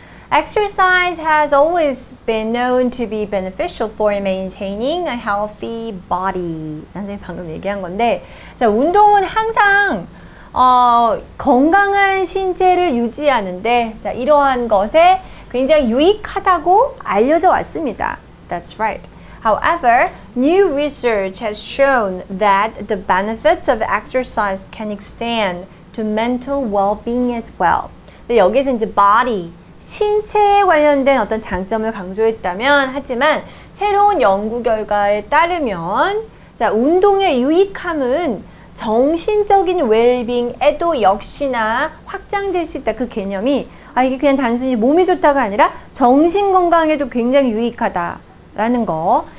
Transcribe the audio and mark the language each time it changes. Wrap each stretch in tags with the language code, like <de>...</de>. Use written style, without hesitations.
<en>Exercise has always been known to be beneficial for maintaining a healthy body.</en> <ko>선생님 방금 얘기한 건데, 자, 운동은 항상 건강한 신체를 유지하는 데 이러한 것에 굉장히 유익하다고 알려져 왔습니다.</ko> <en>That's right. However, new research has shown that the benefits of exercise can extend to mental well-being as well.</en> <ko>근데 여기서 이제 body, 신체에 관련된 어떤 장점을 강조했다면 하지만 새로운 연구 결과에 따르면 자 운동의 유익함은 정신적인 웰빙에도 역시나 확장될 수 있다. 그 개념이 아 이게 그냥 단순히 몸이 좋다가 아니라 정신 건강에도 굉장히 유익하다라는 거.</ko>